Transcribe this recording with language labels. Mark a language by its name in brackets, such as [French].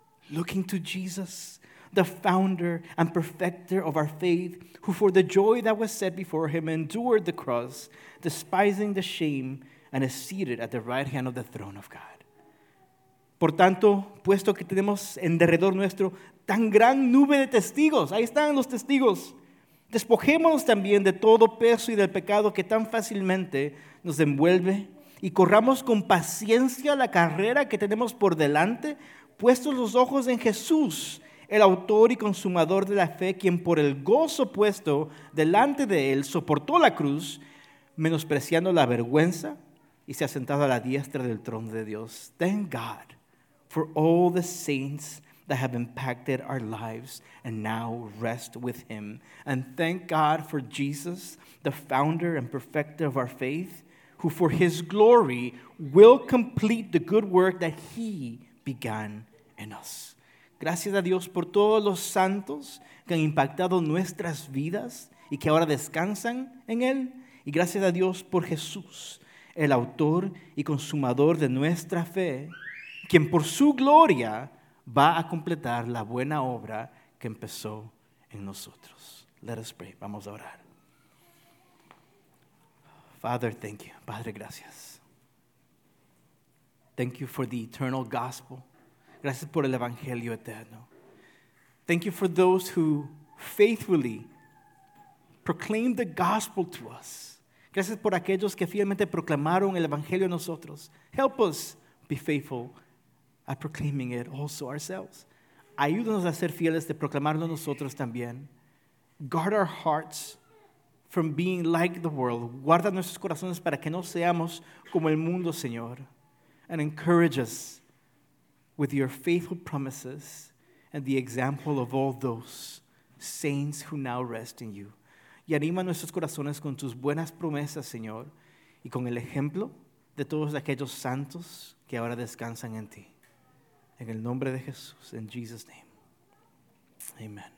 [English] looking to Jesus, the founder and perfecter of our faith, who for the joy that was set before him endured the cross, despising the shame, and is seated at the right hand of the throne of God. [Spanish] Por tanto, puesto que tenemos en derredor nuestro tan gran nube de testigos, ahí están los testigos, despojémonos también de todo peso y del pecado que tan fácilmente nos envuelve, y corramos con paciencia la carrera que tenemos por delante, puestos los ojos en Jesús, el autor y consumador de la fe, quien por el gozo puesto delante de él soportó la cruz, menospreciando la vergüenza, y se ha sentado a la diestra del trono de Dios. [English] Thank God for all the saints that have impacted our lives and now rest with him. And thank God for Jesus, the founder and perfecter of our faith, who for his glory will complete the good work that he began in us. [Spanish] Gracias a Dios por todos los santos que han impactado nuestras vidas y que ahora descansan en él. Y gracias a Dios por Jesús, el autor y consumador de nuestra fe, quien por su gloria va a completar la buena obra que empezó en nosotros. [English] Let us pray. [Spanish] Vamos a orar. [English] Father, thank you. [Spanish] Padre, gracias. [English] Thank you for the eternal gospel. [Spanish] Gracias por el evangelio eterno. [English] Thank you for those who faithfully proclaim the gospel to us. [Spanish] Gracias por aquellos que fielmente proclamaron el evangelio a nosotros. [English] Help us be faithful at proclaiming it also ourselves. [Spanish] Ayúdanos a ser fieles de proclamarlo nosotros también. [English] Guard our hearts from being like the world. [Spanish] Guarda nuestros corazones para que no seamos como el mundo, Señor. [English] And encourage us with your faithful promises and the example of all those saints who now rest in you. [Spanish] Y anima nuestros corazones con tus buenas promesas, Señor, y con el ejemplo de todos aquellos santos que ahora descansan en ti. En el nombre de Jesús, [English] in Jesus' name, [Spanish] amen.